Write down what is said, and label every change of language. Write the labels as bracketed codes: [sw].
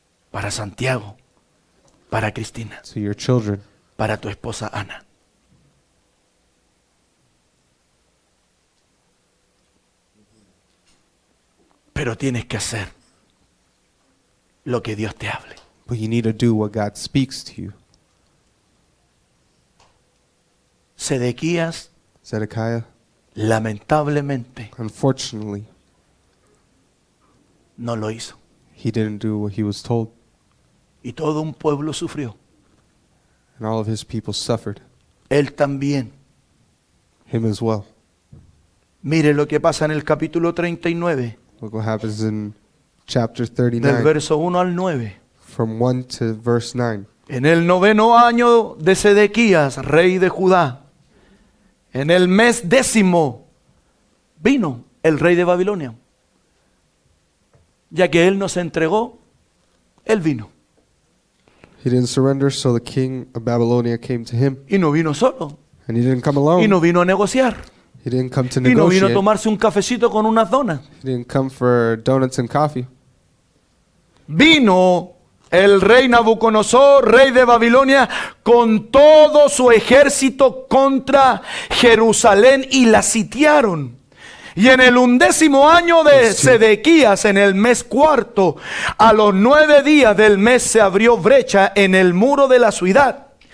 [es] para Santiago, para Cristina, [en] to your children, [es] para tu esposa Ana. Pero tienes que hacer lo que Dios te hable. [en] But you need to do what God speaks to you. [es] Zedekiah, lamentablemente, [en] unfortunately, [es] no lo hizo. [en] He didn't do what he was told. [es] Y todo un pueblo sufrió. [en] And all of his people suffered. [es] Él también. [en] Him as well. [es] Mire lo que pasa en el capítulo 39. [en] Look what happens in chapter 39. [es] Del verso 1 al 9. [en] From 1 to verse 9. [es] En el noveno año de Sedequías, rey de Judá, en el mes décimo, vino el rey de Babilonia. Ya que él nos entregó, él vino. [en] He didn't surrender, so the king of Babylonia came to him. [es] Y no vino solo. [en] And he didn't come alone. [es] Y no vino a negociar. [en] He didn't come to [es] y [en] negotiate. [es] Y no vino a tomarse un cafecito con unas donas. [en] He didn't come for donuts and coffee. [es] Vino el rey Nabucodonosor, rey de Babilonia, con todo su ejército contra Jerusalén y la sitiaron. Y en el undécimo año de Sedequías, en el mes cuarto, a los 9 días del mes se abrió brecha en el muro de la ciudad.